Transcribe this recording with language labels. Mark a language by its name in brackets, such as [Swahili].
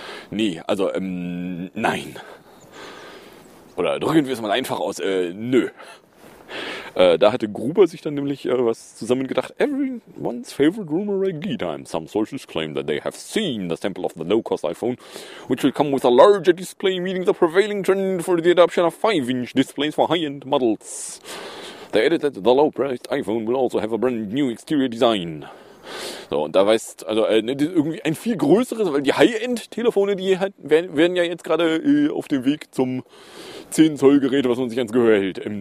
[German] Nein. Oder drücken wir es mal einfach aus, nö. Da hatte Gruber sich dann nämlich was zusammengedacht. [English] Everyone's favorite rumor regularly time. Some sources claim that they have seen the sample of the low-cost iPhone, which will come with a larger display, meeting the prevailing trend for the adoption of 5-inch displays for high-end models. They added that the low-priced iPhone will also have a brand new exterior design. [German] So, und da weißt, also irgendwie ein viel größeres, weil die High-End-Telefone, die werden ja jetzt gerade auf dem Weg zum 10-Zoll-Gerät, was man sich ans Gehör hält.